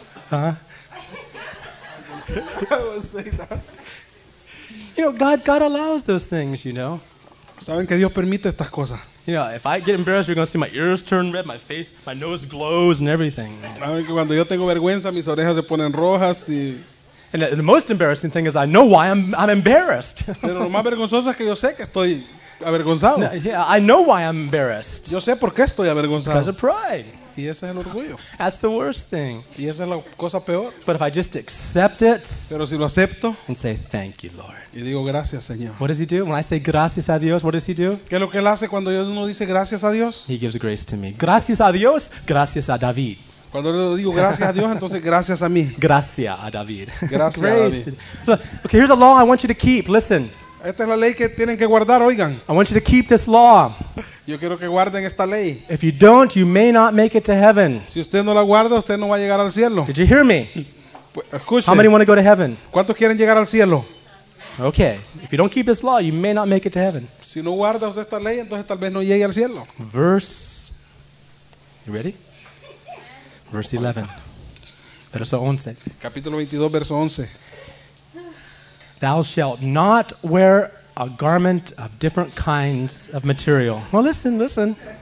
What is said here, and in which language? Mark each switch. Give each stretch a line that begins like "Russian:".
English: Huh? You know, God allows those things, you know.
Spanish: ¿Saben que Dios permite estas cosas?
English: You know, if I get embarrassed, you're going to see my ears turn red, my face, my nose glows and everything.
Spanish: Cuando yo tengo vergüenza, mis orejas se ponen rojas y...
English: And the most embarrassing thing is I know why I'm embarrassed.
Spanish: Pero lo más vergonzoso es que yo sé que estoy... avergonzado. No,
English: yeah, I know why I'm embarrassed.
Spanish: Yo sé por qué estoy avergonzado.
English: Because of pride.
Spanish: Y ese es el orgullo.
English: That's the worst thing.
Spanish: Y esa es la cosa peor.
English: But if I just accept it.
Spanish: Pero si lo acepto.
English: And say thank you, Lord.
Spanish: Y digo gracias, Señor.
English: What does he do when I say
Spanish: gracias a Dios?
English: What does he do?
Spanish: ¿Qué es lo que él hace cuando uno dice gracias a Dios?
English: He gives grace to me.
Spanish: Gracias a Dios. Gracias a David. Cuando le digo gracias a Dios, entonces gracias a mí. Gracias a David. Gracias grace a David.
English: To... Look, okay, here's a law I want you to keep. Listen.
Spanish: Esta es la ley que tienen que guardar, oigan.
English: I want you to keep this law.
Spanish: Yo quiero que guarden esta ley.
English: If you don't, you may not make it to heaven.
Spanish: Si usted no la guarda, usted no va a llegar al cielo.
English: Did you hear me?
Spanish: Escuche.
English: How many want to go to heaven?
Spanish: ¿Cuántos quieren llegar al cielo?
English: Okay. If you don't keep this law, you may not make it to heaven.
Spanish: Si no guarda usted esta ley, entonces tal vez no llegue al cielo.
English: Verse. You ready? Verse 11.
Spanish: Verso 11. Capítulo 22, verso 11.
English: Thou shalt not wear a garment of different kinds of material. Well, listen.